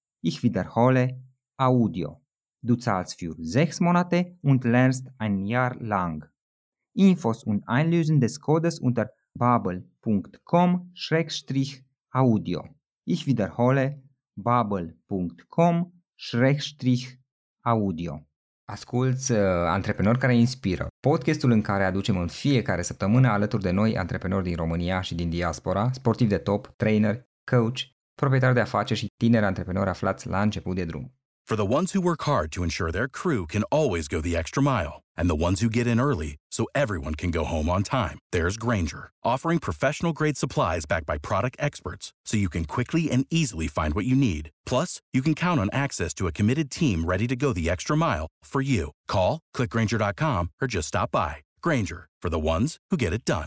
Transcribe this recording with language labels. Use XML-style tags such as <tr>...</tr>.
<de>Ich wiederhole, AUDIO. Du zahlst für 6 Monate und lernst ein Jahr lang. Infos und Einlösen des Codes unter babbel.com/audio. Ich wiederhole, babbel.com/audio.</de> <ro>Asculți Antreprenori care inspiră, podcastul în care aducem în fiecare săptămână alături de noi antreprenori din România și din diaspora, sportivi de top, trainer, coach, proprietari de afaceri și tineri antreprenori aflați la început de drum.</ro> <en>For the ones who work hard to ensure their crew can always go the extra mile, and the ones who get in early so everyone can go home on time, there's Grainger, offering professional-grade supplies backed by product experts so you can quickly and easily find what you need. Plus, you can count on access to a committed team ready to go the extra mile for you. Call, click Grainger.com, or just stop by. Grainger, for the ones who get it done.</en>